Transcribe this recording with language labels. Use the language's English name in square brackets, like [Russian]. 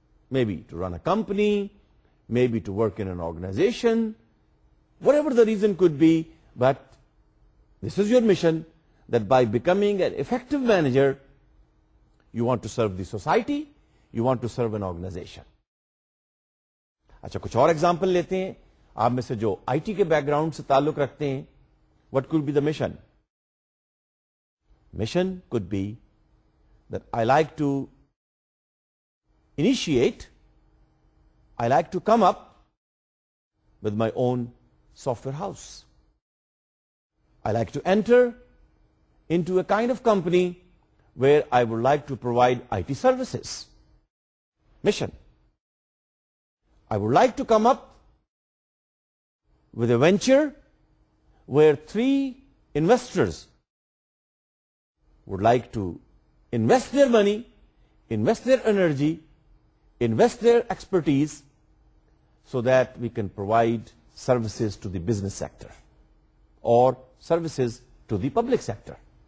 [English] Maybe to run a company, maybe to work in an organization, whatever the reason could be, but this is your mission, that by becoming an effective manager, you want to serve the society, you want to serve an organization. [Urdu] Achha, kuch aur example lete hain. آپ میں سے جو I T کے back ground سے تعلق رکھتے ہیں, [English] What could be the mission, mission could be that I like to initiate, I like to come up with my own software house, I like to enter into a kind of company where I would like to provide IT services. Mission, I would like to come up with a venture where three investors would like to invest their money, invest their energy, invest their expertise so that we can provide services to the business sector or services to the public sector.